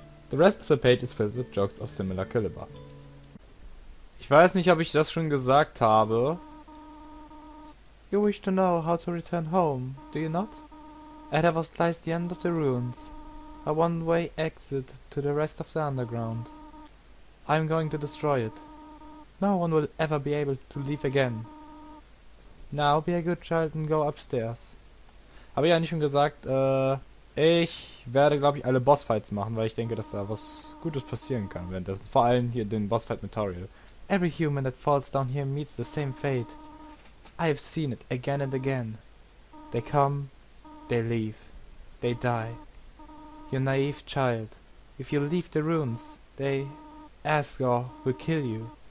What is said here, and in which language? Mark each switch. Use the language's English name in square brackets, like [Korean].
[English] The rest of the page is filled with jokes of similar caliber. [German] Ich weiß nicht, ob ich das schon gesagt habe. [English] You wish to know how to return home, do you not? And there was lies the end of the ruins. A one-way exit to the rest of the underground. I'm going to destroy it. No one will ever be able to leave again. Now be a good child and go upstairs. [German] Habe ich ja nicht schon gesagt, ich werde, glaube ich, alle Bossfights machen, weil ich denke, dass da was Gutes passieren kann währenddessen. Vor allem hier den Bossfight mit Toriel. [English] Every human that falls down here meets the same fate. I've seen it again and again. They come, they leave, they die. You naive child. If you leave the ruins, they, Asgore, will kill you.